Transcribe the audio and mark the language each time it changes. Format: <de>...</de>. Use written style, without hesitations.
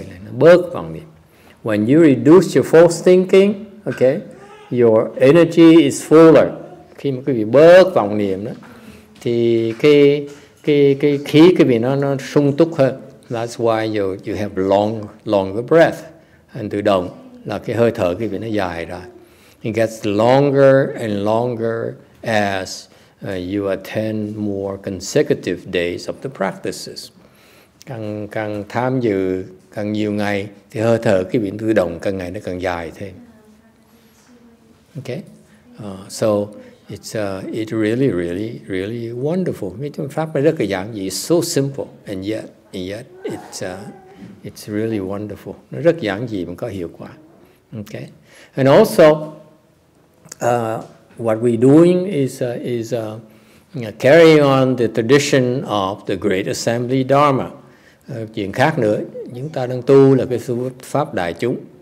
<en>When you reduce your false thinking, okay, your energy is fuller.</en> <vi>Khi mà quý vị bớt vọng niệm đó, thì cái khí quý vị nó sung túc hơn.</vi> <en>That's why you have longer breath. And</en> <vi>từ đồng là cái hơi thở quý vị nó dài ra.</vi> <en>It gets longer and longer as you attend more consecutive days of the practices.</en> <vi>Càng tham dự càng nhiều ngày thì hơi thở quý vị tự động càng ngày nó càng dài thêm.</vi> <en>Okay? So it's really, really, really wonderful.</en> <vi>Pháp này rất là giản dị,</vi> <en>so simple, and yet it's really wonderful.</en> <vi>Nó rất giản dị mà có hiệu quả.</vi> <en>Okay? And also, what we're doing is carrying on the tradition of the Great Assembly Dharma.</en> <vi>Chuyện khác nữa, chúng ta đang tu là cái pháp đại chúng.</vi>